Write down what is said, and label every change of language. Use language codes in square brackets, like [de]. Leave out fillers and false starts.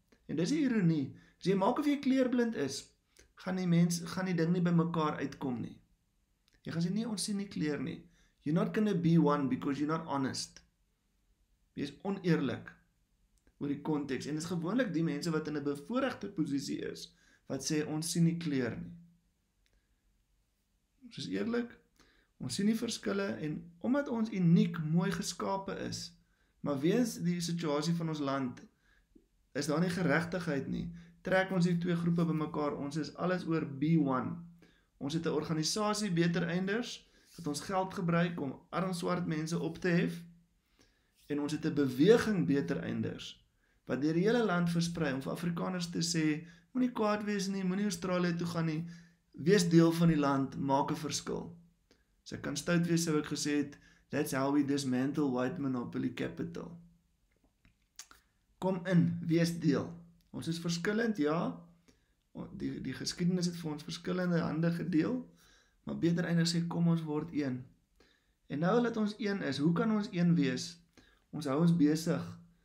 [af] En dis die ironie, as jy maak of jy kleerblind is, gaan die ding nie by mekaar uitkom nie. Jy gaan sê nie, ons sien nie kleur nie. [en] You're not gonna be one because you're not honest. [af] Jy is oneerlik oor die context, en is gewoonlik die mense wat in 'n bevoorregte posisie is, wat sê, ons sien nie kleur nie. Ons is eerlik, ons sien nie verskille, en omdat ons uniek, mooi geskape is, maar weens die situasie van ons land, is daar nie geregtigheid nie, trek ons die twee groepe by mekaar, ons is alles oor B1. Ons het 'n organisasie, beter einders, dat ons geld gebruik om arm swart mense op te hef, en ons het 'n beweging beter einders, wat deur die hele land versprei, om vir Afrikaners te sê, moenie kwaad wees nie, moenie Australië toe gaan nie, wees deel van die land, maak 'n verskil. As ek kan stout wees, sou ek gesê het, [en] that's how we dismantle white monopoly capital. [af] Kom in, wees deel. Ons is verskillend, ja, die geskiedenis het vir ons verskillende hande gedeel, maar beter einders sê, kom ons word een. En nou dat ons een is, hoe kan ons een wees? Ons hou ons besig